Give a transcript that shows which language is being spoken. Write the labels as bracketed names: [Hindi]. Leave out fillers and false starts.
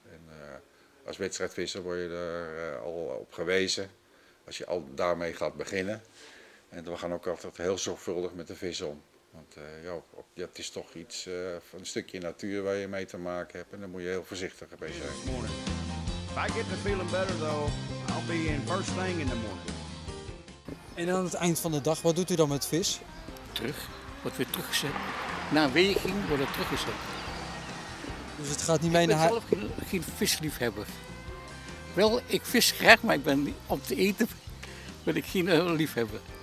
[Dutch] En als wedstrijdvisser word je er al op gewezen. Als je al daarmee gaat beginnen. En we gaan ook altijd heel zorgvuldig met de vis om. Want het is toch iets van een stukje natuur waar je mee te maken hebt. En daar moet je heel voorzichtig mee zijn. [English] If I get to feeling better though, I'll be in first thing in the morning. [Dutch] En aan het eind van de dag, wat doet u dan met vis? Terug. Wordt weer teruggezet. Na een weging wordt het teruggezet. Dus het gaat niet mee naar huis? Ik ben zelf geen visliefhebber. Wel, ik vis graag, maar ik ben om te eten ben ik geen liefhebber.